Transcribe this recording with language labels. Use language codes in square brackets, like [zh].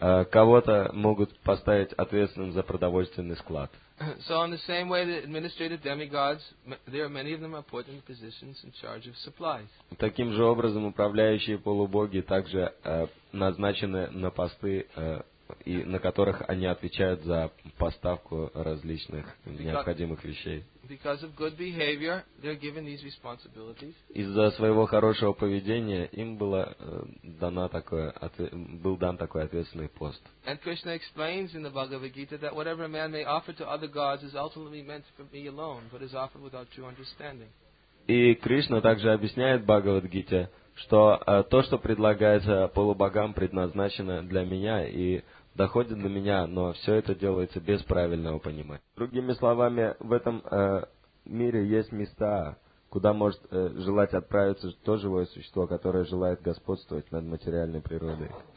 [ru] Кого-то могут поставить ответственным за продовольственный склад. [en] So in the same way the administrative demigods, there are many of them are put in positions in charge of supplies. [ru] Таким же образом управляющие полубоги также назначены на посты, и на которых они отвечают за поставку различных необходимых вещей. [en] Because of good behavior, they're given these responsibilities. [ru] Из-за своего хорошего поведения им было дан такой ответственный пост. [en] And Krishna explains in the Bhagavad Gita that whatever a man may offer to other gods is ultimately meant for me alone, but is offered without true understanding. [ru] И Кришна также объясняет в Бхагавад-гите, что то, что предлагается полубогам, предназначено для меня и доходит до меня, но все это делается без правильного понимания. Другими словами, в этом мире есть места, куда может желать отправиться то живое существо, которое желает господствовать над материальной природой.